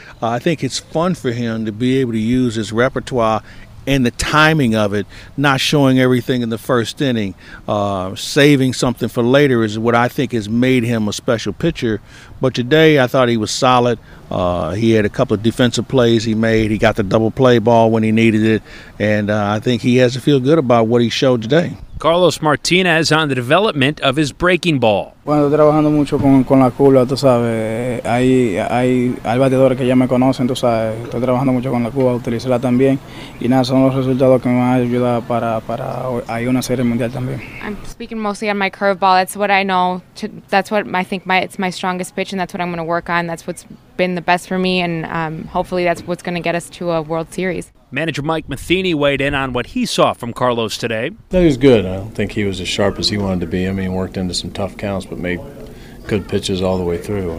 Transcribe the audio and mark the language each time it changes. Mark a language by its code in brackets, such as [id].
[en] I think it's fun for him to be able to use his repertoire and the timing of it, not showing everything in the first inning, saving something for later, is what I think has made him a special pitcher. But today I thought he was solid. He had a couple of defensive plays he made. He got the double play ball when he needed it. And I think he has to feel good about what he showed today. Carlos Martinez on the development of his breaking ball. [es] Bueno, trabajando mucho con la curva, tú sabes. Hay bateadores que ya me conocen, tú sabes. Estoy trabajando mucho con la curva, utilizarla también. Y nada, son los resultados que me van a ayudar para hay una serie mundial también. [en] I'm speaking mostly on my curveball. That's what I know. It's my strongest pitch, and that's what I'm going to work on. That's what's been the best for me, and hopefully that's what's going to get us to a World Series. Manager Mike Matheny weighed in on what he saw from Carlos today. Yeah, he was good. I don't think he was as sharp as he wanted to be. I mean, he worked into some tough counts, but made good pitches all the way through.